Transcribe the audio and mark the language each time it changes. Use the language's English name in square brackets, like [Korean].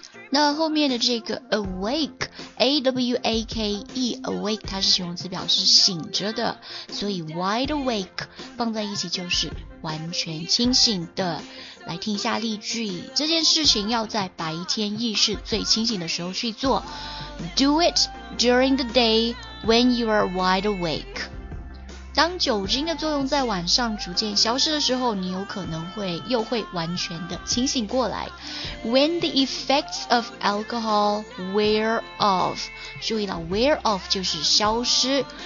[Chinese] 那后面的这个 awake A-W-A-K-E awake 它是形容词，表示醒着的，所以 wide awake 放在一起就是完全清醒的。来听一下例句，这件事情要在白天意识最清醒的时候去做。 [English] Do it during the day when you are wide awake. [Chinese] 当酒精的作用在晚上逐渐消失的时候，你有可能会又会完全的清醒过来。 [English] When the effects of alcohol wear off, [Chinese] 注意了 [English] wear off [Chinese] 就是消失。